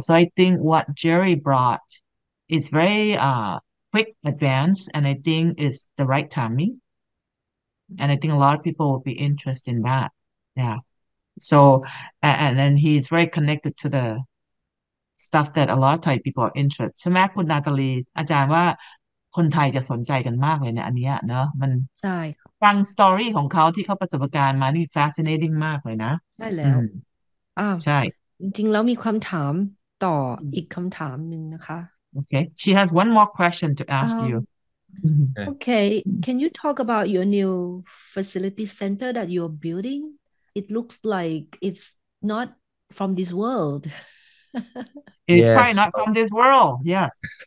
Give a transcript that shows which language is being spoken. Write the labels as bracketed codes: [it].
[en] So I think what Jerry brought is very quick advance, and I think it's the right timing. And I think a lot of people will be interested in that. Yeah. So, and then he's very connected to the stuff that a lot of Thai people are interested. [th] ใช่ไหมคุณนาตาลีอาจารย์ว่าคนไทยจะสนใจกันมากเลยเนี่ยอันนี้เนาะมัน ใช่ค่ะ ฟังสตอรี่ของเขาที่เขาประสบการณ์มานี่ fascinating มากเลยนะ ได้แล อื้ว ใช่ จริงๆแล้วมีคำถามต่ออีกคำถามหนึ่งนะคะ [en] โอเค she has one more question to ask you okay can you talk about your new facility center that you're building it looks like it's not from this world It's probably not from this world. Yes.